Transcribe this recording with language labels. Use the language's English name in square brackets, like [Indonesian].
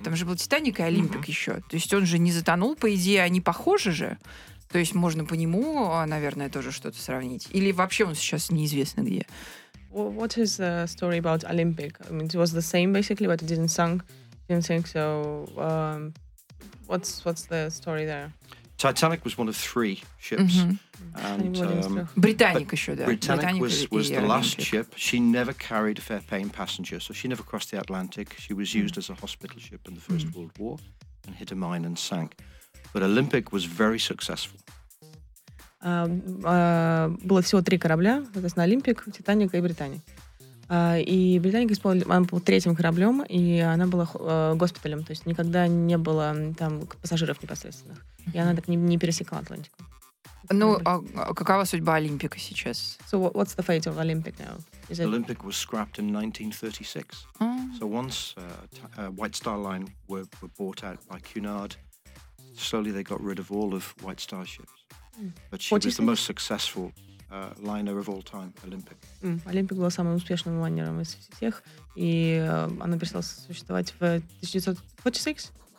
[Russian] Там же был Титаник и Олимпик mm-hmm. еще. То есть он же не затонул, по идее, они похожи же. То есть можно по нему, наверное, тоже что-то сравнить. Или вообще он сейчас неизвестно где? [English] What is the story about Olympic? I mean, it was the same basically, but it didn't sink. So, what's the story there? Titanic was one of three ships. Mm-hmm. [Russian] And, Britannic еще, да. [English] Britannic was the last ship. She never carried a fair-paying passenger, so she never crossed the Atlantic. She was used mm-hmm. as a hospital ship in the First mm-hmm. World War and hit a mine and sank. But Olympic was very successful. [Russian] Было всего 3 корабля, соответственно, «Олимпик», «Титаник» и «Британик». И «Британик» был третьим кораблем, и она была госпиталем, то есть никогда не было там пассажиров непосредственных. И она так не пересекла Атлантику. Ну, а какова судьба «Олимпика» сейчас? [English] So what's the fate of Olympic now? Is it... Olympic was scrapped in 1936. Mm. So once White Star Line were bought out by Cunard, slowly they got rid of all of White Star ships. But she was the most successful liner of all time, Olympic. Mm. [Russian] Olympic была самым успешным лайнером из всех, и она перестала существовать в 1936.